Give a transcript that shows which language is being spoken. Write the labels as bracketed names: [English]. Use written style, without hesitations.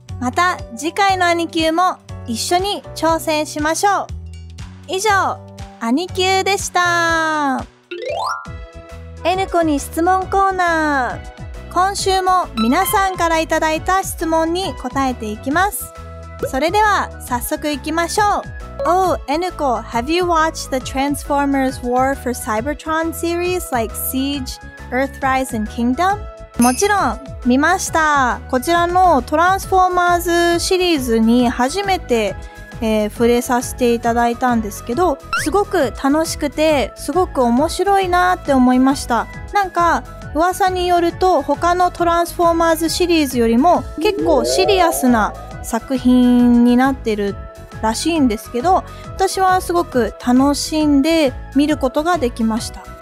[Japanese] また次回のアニキューも一緒に挑戦しましょう。以上、アニキューでした。N 子に質問コーナー。今週も皆さんからいただいた質問に答えていきます。それでは早速いきましょう。 [English] Oh, Eniko, have you watched the Transformers War for Cybertron series like Siege, Earthrise, and Kingdom? [Japanese] もちろん見ました。こちらのトランスフォーマーズシリーズに初めて、触れさせていただいたんですけど、すごく楽しくて、すごく面白いなって思いました。なんか噂によると他のトランスフォーマーズシリーズよりも結構シリアスな作品になってるらしいんですけど、私はすごく楽しんで見ることができました。